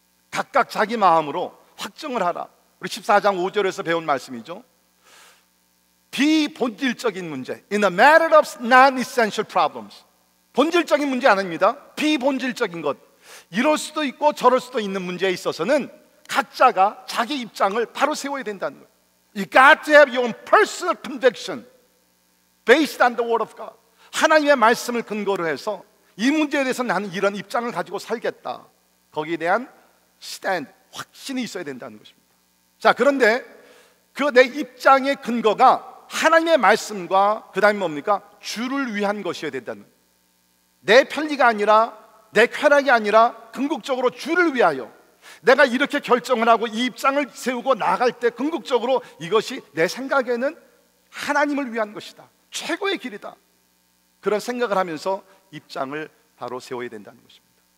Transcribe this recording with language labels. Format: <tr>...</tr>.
<ko>각각 자기 마음으로 확정을 하라. 우리 14장 5절에서 배운 말씀이죠. 비본질적인 문제,</ko> <en>in a matter of non-essential problems.</en> <ko>본질적인 문제 아닙니다. 비본질적인 것, 이럴 수도 있고 저럴 수도 있는 문제에 있어서는 각자가 자기 입장을 바로 세워야 된다는 거예요.</ko> <en>You got to have your own personal conviction based on the word of God.</en> <ko>하나님의 말씀을 근거로 해서 이 문제에 대해서 나는 이런 입장을 가지고 살겠다. 거기에 대한 stand, 확신이 있어야 된다는 것입니다. 자, 그런데 그 내 입장의 근거가 하나님의 말씀과 그 다음에 뭡니까? 주를 위한 것이어야 된다는 내 편리가 아니라 내 쾌락이 아니라 궁극적으로 주를 위하여 내가 이렇게 결정을 하고 이 입장을 세우고 나갈 때 궁극적으로 이것이 내 생각에는 하나님을 위한 것이다, 최고의 길이다, 그런 생각을 하면서 입장을 바로 세워야 된다는 것입니다.</ko>